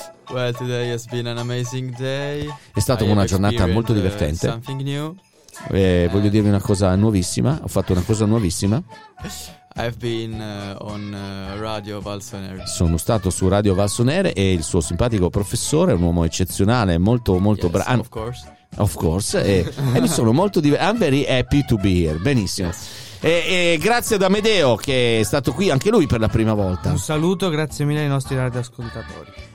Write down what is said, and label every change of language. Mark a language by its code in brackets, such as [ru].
[en] Well, today has been an amazing day. [it] È stata una giornata molto divertente. [en] Something new. [it] Voglio dirvi una cosa nuovissima. Ho fatto una cosa nuovissima. [en] I've been on Radio Valsonere. [it] Sono stato su Radio Valsonere e il suo simpatico professore è un uomo eccezionale, molto molto [en] yes, [it] bravo. [en] Of course. [it] E mi sono molto [en] I'm very happy to be here. [it] Benissimo. E grazie ad Amedeo che è stato qui anche lui per la prima volta. Un saluto, grazie mille ai nostri radioascoltatori.